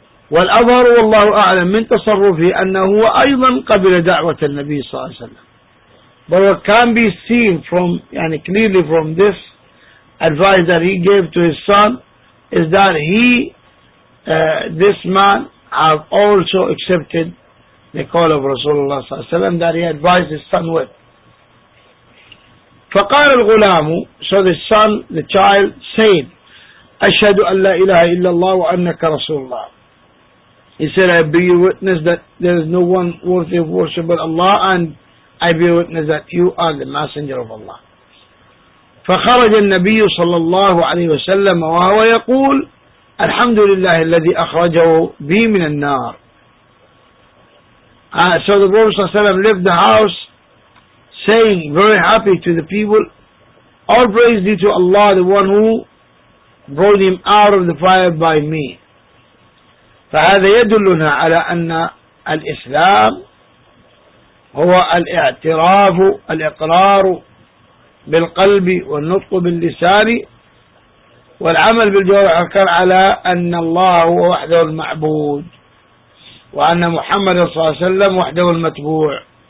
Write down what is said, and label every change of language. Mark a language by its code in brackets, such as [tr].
[ar] والأظهر والله أعلم من تصرفه أنه هو أيضا قبل دعوة النبي صلى الله عليه وسلم. [en] But what can be seen from يعني clearly from this advice that he gave to his son is that he this man have also accepted the call of Rasulullah صلى الله عليه وسلم that he advised his son with. [ar] فقال الغلام, [en] so the son, the child said, [ar] أشهد أن لا إله إلا الله وأنك رسول الله. [en] He said, I bear you witness that there is no one worthy of worship but Allah, and I bear witness that you are the messenger of Allah. [ar] فخرج النبي صلى الله عليه وسلم وهو يقول الحمد لله الذي أخرجه بي من النار. [en] So the Prophet صلى الله عليه وسلم left the house saying very happy to the people, all praise be to Allah, the one who brought him out of the fire by me. [ar] فهذا يدلنا على أن الإسلام هو الاعتراف الإقرار بالقلب والنطق باللسان والعمل بالجوارح على أن الله هو وحده المعبود وأن محمد صلى الله عليه وسلم وحده المتبوع.